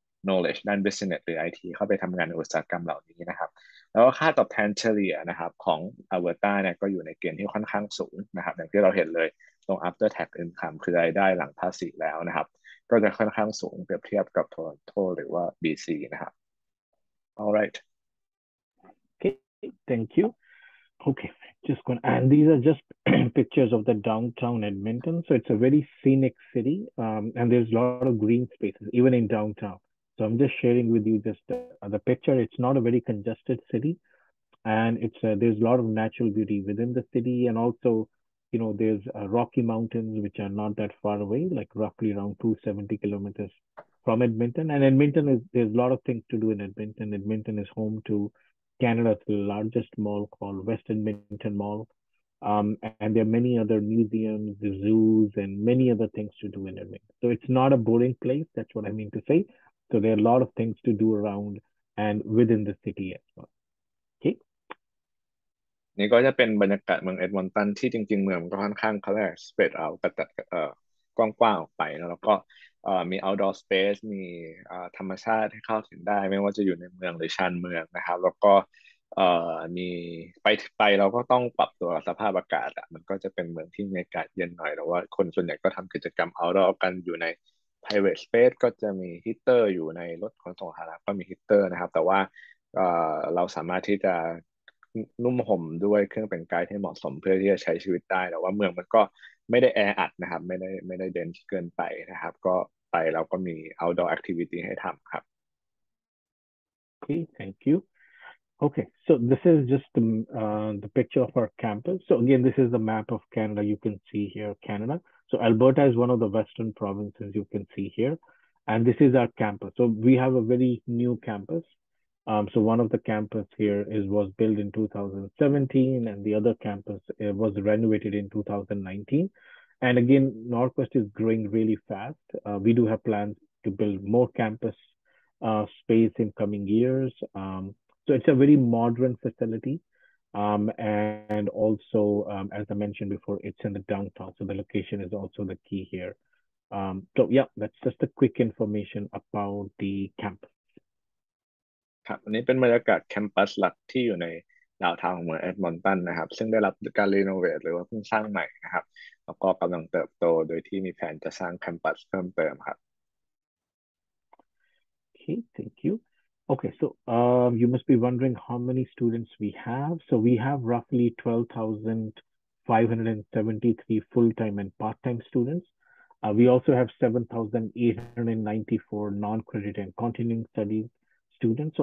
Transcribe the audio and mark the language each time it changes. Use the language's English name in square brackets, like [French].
[Thai] knowledge ด้าน business หรือ IT เข้าไปทำงานในอุตสาหกรรมเหล่านี้นะครับแล้วก็ค่าตอบแทนเฉลี่ยนะครับของ Alberta เนี่ยก็อยู่ในเกณฑ์ที่ค่อนข้างสูงนะครับอย่างที่เราเห็นเลยตรง after tax income คือรายได้หลังภาษีแล้วนะครับก็จะค่อนข้างสูงเปรียบเทียบกับ Toronto หรือว่า BC นะครับ [English] All right Okay thank you Okay just going and these are just pictures of the downtown Edmonton so it's a very scenic city and there's a lot of green spaces even in downtown So I'm just sharing with you just the picture. It's not a very congested city, and it's there's a lot of natural beauty within the city, and also, you know, there's rocky mountains which are not that far away, like roughly around 270 kilometers from Edmonton. And Edmonton is there's a lot of things to do in Edmonton. Edmonton is home to Canada's largest mall called West Edmonton Mall, and there are many other museums, the zoos, and many other things to do in Edmonton. So it's not a boring place. That's what I mean to say. So there are a lot of things to do around and within the city as well. Okay. [Thai] นี่ก็จะเป็นบรรยากาศเมืองเอ็ดมอนตันที่จริงๆเมืองก็ค่อนข้างเขาเรียกสเปซเอาตัดกว้างๆออกไปนะแล้วก็มี outdoor space มีธรรมชาติให้เข้าถึงได้ไม่ว่าจะอยู่ในเมืองหรือชานเมืองนะครับแล้วก็ มีไปเราก็ต้องปรับตัวสภาพอากาศอ่ะมันก็จะเป็นเมืองที่มีอากาศเย็นหน่อยแต่ว่าคนส่วนใหญ่ก็ทำกิจกรรม outdoor กันอยู่ใน private space ก็จะมีฮีเตอร์อยู่ในรถขนส่งสาธารณะก็มีฮีเตอร์นะครับแต่ว่าเราสามารถที่จะนุ่มห่มด้วยเครื่องแต่งกายที่เหมาะสมเพื่อที่จะใช้ชีวิตได้แต่ว่าเมืองมันก็ไม่ได้แออัดนะครับไม่ได้เดนส์เกินไปนะครับก็ไปเราก็มี outdoor activity ให้ทำครับ [English] โอเค thank you okay so this is just the picture of our campus so again this is the map of Canada you can see here Canada so Alberta is one of the western provinces you can see here and this is our campus so we have a very new campus So one of the campus here was built in 2017 and the other campus was renovated in 2019. And again, NorQuest is growing really fast. We do have plans to build more campus space in coming years. So it's a very modern facility. And also, as I mentioned before, it's in the downtown. So the location is also the key here. So yeah, that's just a quick information about the campus. [Thai] ครับอันนี้เป็นบรรยากาศแคมปัสหลักที่อยู่ในดาวน์ทาวน์ของเมืองเอดมอนตันนะครับซึ่งได้รับการรีโนเวทหรือว่าเพิ่งสร้างใหม่นะครับแล้วก็กำลังเติบโตโดยที่มีแผนจะสร้างแคมปัสเพิ่มเติมครับ [English] โอเค thank you okay so you must be wondering how many students we have so we have roughly 12,573 full time and part time students we also have 7,894 non credit and continuing studies students.